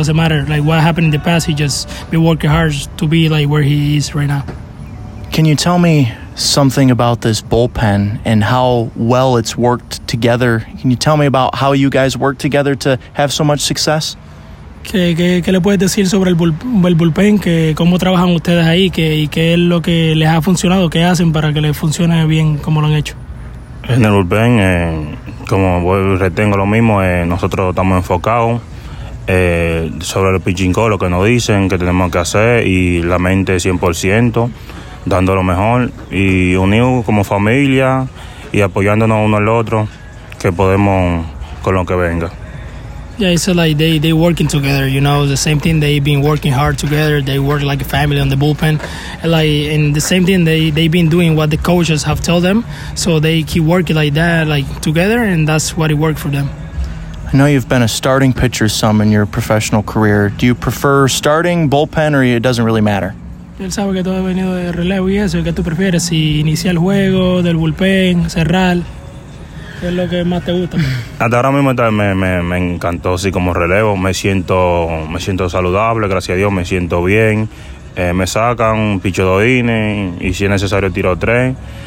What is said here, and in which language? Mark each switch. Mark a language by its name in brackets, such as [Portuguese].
[English] Doesn't matter like what happened in the past, he just been working hard to be like where he is right now. Can you tell me something about this bullpen and how well it's worked together? Can you tell me about how you guys work together to have so much success? [Spanish] ¿Qué le puedes decir sobre el bullpen? Que cómo trabajan ustedes ahí, qué es lo que les ha funcionado, qué hacen para que les funcione bien como lo han hecho. En el bullpen, como retengo lo mismo, nosotros estamos enfocados sobre los pitching coach, lo que nos dicen, qué tenemos que hacer, y la mente 100%, dando lo mejor y unidos como familia y apoyándonos uno al otro, que podemos con lo que venga. [English] Yeah, it's like they working together, you know, the same thing, they've been working hard together, they work like a family on the bullpen, like, and the same thing, they've been doing what the coaches have told them, so they keep working like that, like, together, and that's what it worked for them. I know you've been a starting pitcher some in your professional career. Do you prefer starting, bullpen, or it doesn't really matter? [Spanish] Él sabe que todo ha venido de relevo y eso, ¿qué tú prefieres, si iniciar el juego, del bullpen, cerrar? ¿Qué es lo que más te gusta? Hasta ahora mismo me encantó así como relevo. Me siento saludable, gracias a Dios, me siento bien. Me sacan, picho dos innings y si es necesario tiro tres.